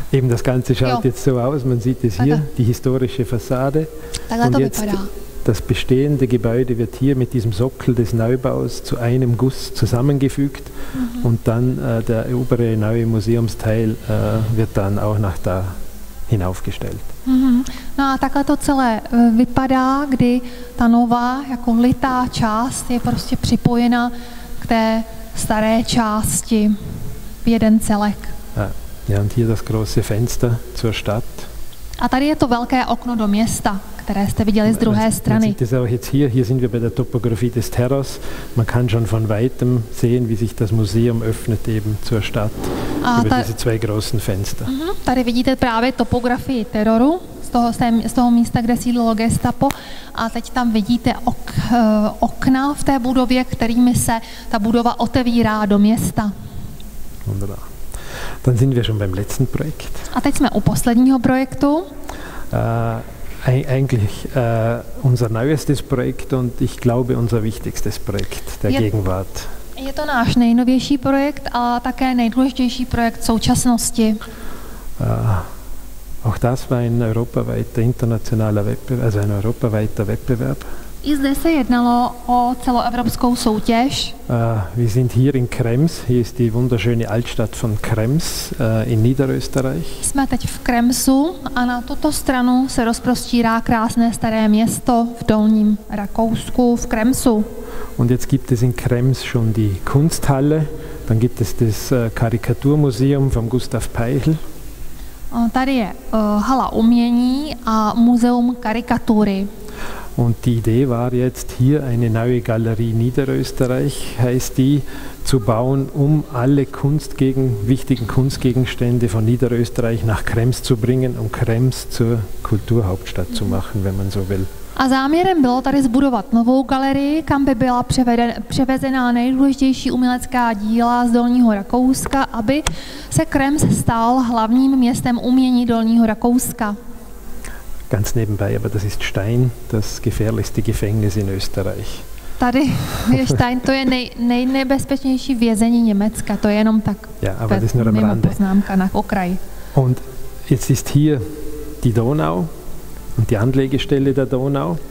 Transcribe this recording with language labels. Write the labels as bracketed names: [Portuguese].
[German] Eben das Ganze schaut jo. jetzt so aus, man sieht es hier, die historische Fassade. [Czech] Takhle [German] und [Czech] to [German] jetzt das bestehende Gebäude wird hier mit diesem Sockel des Neubaus zu einem Guss zusammengefügt mhm. und dann der obere neue Museumsteil wird dann auch nach da hinaufgestellt. Mhm. [Czech] No a takhle to celé vypadá, kdy ta nová jako litá část je prostě připojena k té staré části v jeden celek. [German] Ja, und hier das große Fenster zur Stadt. [Czech] A tady je to velké okno do města, které jste viděli z druhé strany. [German] Man sieht es auch jetzt hier, hier sind wir bei der Topographie des Terras. Man kann schon von weitem sehen, wie sich das Museum öffnet eben zur Stadt über diese zwei großen Fenster. [Czech] Tady vidíte právě topografii teroru z toho místa, kde sídlilo Gestapo. A teď tam vidíte okna v té budově, kterými se ta budova otevírá do města. [German] Wunderbar. Dann sind wir schon beim letzten Projekt. [Czech] A teď jsme u posledního projektu. [German] Eigentlich unser neuestes Projekt und ich glaube unser wichtigstes Projekt der Gegenwart. [Czech] Je to náš nejnovější projekt a také nejdůležitější projekt současnosti. [German] Auch das war ein europaweiter internationaler Wettbewerb, also ein europaweiter Wettbewerb. [Czech] I zde se jednalo o celoevropskou soutěž. [German] Wir sind hier in Krems, hier ist die wunderschöne Altstadt von Krems in Niederösterreich. [Czech] Jsme teď v Kremsu a na tuto stranu se rozprostírá krásné staré město v Dolním Rakousku, v Kremsu. [German] Und jetzt gibt es in Krems schon die Kunsthalle, dann gibt es das Karikaturmuseum von Gustav Peichl. [Czech] Tady je hala umění a muzeum karikatury. [German] Und die Idee war jetzt, hier eine neue Galerie Niederösterreich, heißt die, zu bauen, um alle wichtigen Kunstgegenstände von Niederösterreich nach Krems zu bringen, um Krems zur Kulturhauptstadt zu machen, wenn man so will. [Czech] A záměrem bylo tady zbudovat novou galerii, kam by byla převezená nejdůležitější umělecká díla z Dolního Rakouska, aby se Krems stal hlavním městem umění Dolního Rakouska. [German] Ganz nebenbei, aber das ist Stein, das gefährlichste Gefängnis in Österreich. [Czech] Tady je Stein, to je nejnebezpečnější vězení Německa, to je jenom tak. [German] Ja, aber das ist nur am Rande. [Czech] Poznámka na okraj. [German] Und jetzt ist hier die Donau und die Anlegestelle der Donau.